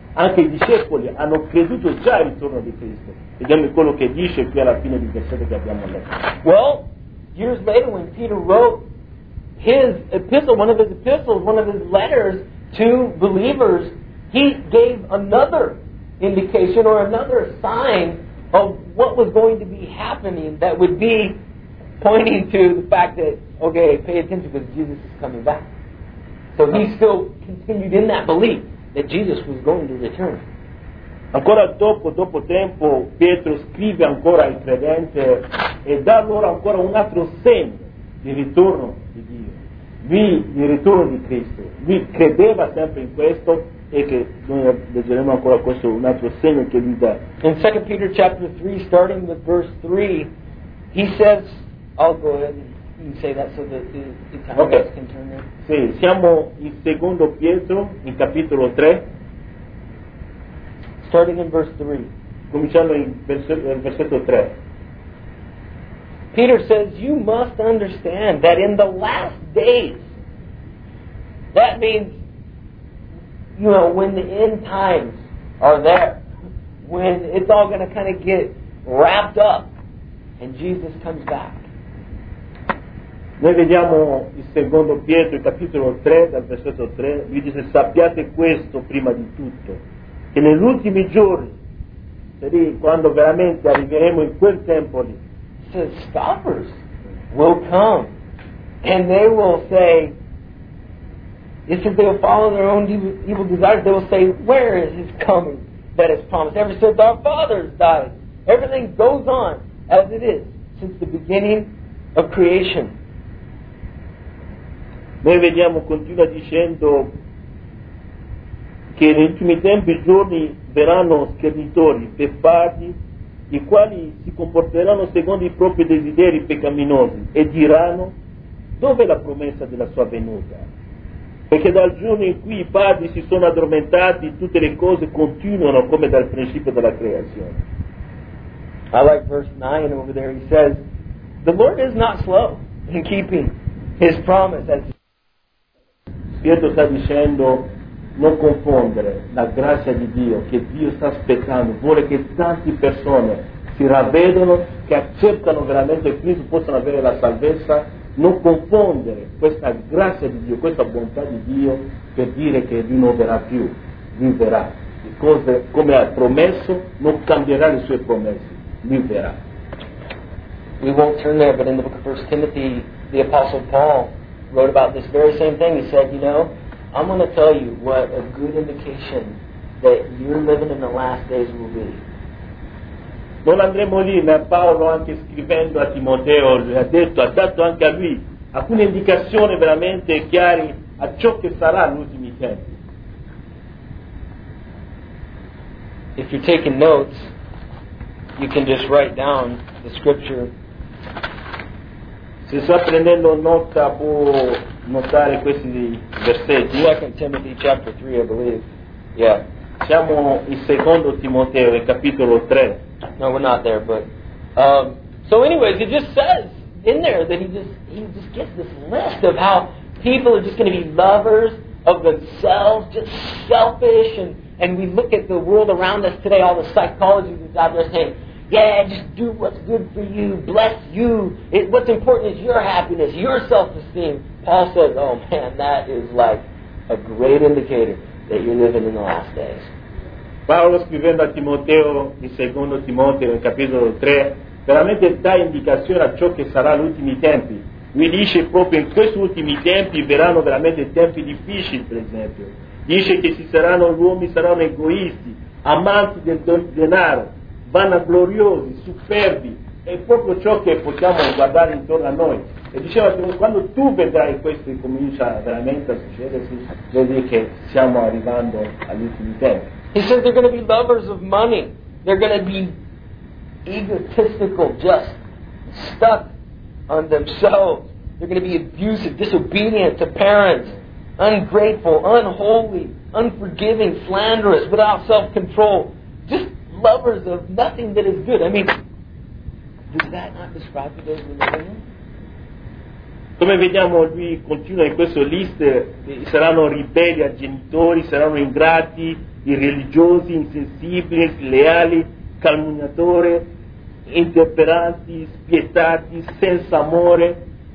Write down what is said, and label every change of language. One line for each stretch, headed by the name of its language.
Italian: Anche i discepoli hanno creduto già al ritorno di Cristo. Vediamo quello che dice qui alla fine del versetto che abbiamo letto.
English: Well, years later when Peter wrote his epistle, one of his epistles, one of his letters to believers, he gave another indication or another sign of what was going to be happening that would be pointing to the fact that, okay, pay attention because Jesus is coming back. So he still continued in that belief that Jesus was going to return.
Italian: Ancora dopo tempo, Pietro scrive ancora ai credenti e dà loro ancora un altro segno di ritorno di Dio. Lui, il ritorno di Cristo, lui credeva sempre in questo e che noi leggeremo ancora questo, un altro segno che lui dà.
English: In 2 Peter chapter 3, starting with verse 3, he says, I'll go ahead and say that so that the Italians okay. can turn it.
Italian: Sì, siamo in 2 Pietro, in capitolo 3.
English: Starting in verse 3.
Italian: Cominciando in versetto 3.
English: Peter says, you must understand that in the last days, that means, you know, when the end times are there, when it's all going to kind of get wrapped up and Jesus comes back.
Italian: Noi vediamo il secondo Pietro, il capitolo 3, dal versetto 3, lui dice, sappiate questo prima di tutto, che negli ultimi giorni, cioè quando veramente arriveremo in quel tempo lì,
English: the scoffers will come and they will say, it's if they will follow their own evil desires, they will say, where is his coming that is promised? Ever since our fathers died, everything goes on as it is since the beginning of creation.
Italian: Noi vediamo, continua dicendo, che negli ultimi tempi i giorni verranno schernitori, beffati, i quali si comporteranno secondo i propri desideri peccaminosi e diranno dove è la promessa della sua venuta, perché dal giorno in cui i padri si sono addormentati tutte le cose continuano come dal principio della creazione.
English: I like verse 9 over there. He says the Lord is not slow in keeping his promise.
Italian: Pietro sta dicendo non confondere la grazia di Dio che Dio sta aspettando, vuole che tante persone si ravvedano, che accettano veramente Cristo, possano avere la salvezza. Non confondere questa grazia di Dio, questa bontà di Dio per dire che Dio non verrà più, Lui verrà. Le cose come ha promesso, non cambierà le sue promesse, Lui verrà.
English: We won't turn there, but in the book of 1 Timothy, the Apostle Paul wrote about this very same thing. He said, you know, I'm going to tell you what a good indication that you're living in the last days will be.
Italian: Non andremo lì, ma Paolo anche scrivendo a Timoteo ha detto, ha dato anche a lui alcune indicazioni veramente chiare a ciò che sarà negli ultimi tempi.
English: If you're taking notes, you can just write down the scripture.
Italian: Se sta prendendo nota può notare questi versetti.
English: 2 Timothy chapter 3, I believe. Yeah.
Italian: Siamo in 2 Timoteo, il capitolo 3.
English: No, we're not there, but... So anyways, it just says in there that he just gets this list of how people are just going to be lovers of themselves, just selfish, and we look at the world around us today, all the psychology that's out there saying, yeah, just do what's good for you, bless you. What's important is your happiness, your self-esteem. Paul says, oh man, that is like a great indicator that you're living in the last days.
Italian: Paolo scrivendo a Timoteo, in 2 Timoteo, in capitolo 3, veramente dà indicazione a ciò che sarà gli ultimi tempi. Lui dice proprio in questi ultimi tempi verranno veramente tempi difficili, per esempio. Dice che ci saranno gli uomini, saranno egoisti, amanti del denaro, vanagloriosi, superbi, è proprio ciò che possiamo guardare intorno a noi. E diceva che quando tu vedrai questo e comincia veramente a succedersi, vedi che stiamo arrivando agli ultimi tempi.
English: He says they're going to be lovers of money. They're going to be egotistical, just stuck on themselves. They're going to be abusive, disobedient to parents. ungrateful, unholy, unforgiving, slanderous, without self-control, just lovers of nothing that is good. I mean, does that not describe the days we live in?
Italian: Come vediamo, lui continua in questo list, saranno ribelli a genitori, saranno ingrati, irreligiosi, insensibili, sleali, calunniatori, intemperanti, spietati, senza amore.